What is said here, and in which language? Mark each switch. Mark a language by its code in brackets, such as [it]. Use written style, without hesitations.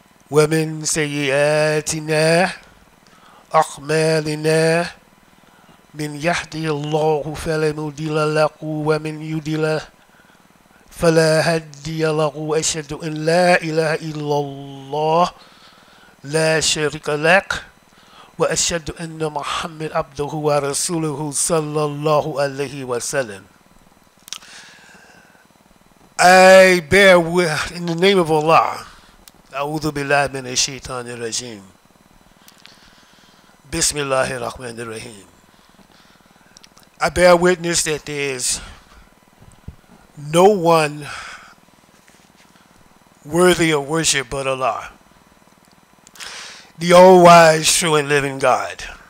[ar] ومن سيئاتنا أعمالنا من يهدي الله فلا مضل له ومن يضل فلا هادي له أشهد أن لا إله إلا الله لا شريك لك وأشهد أن محمد عبده ورسوله صلى الله عليه وسلم. [en] I bear witness in the name of Allah. [ar] أعوذ بالله من الشيطان الرجيم. Bismillahir Rahmanir Rahim. [en] I bear witness that there is no one worthy of worship but Allah, the all-wise, true, and living God.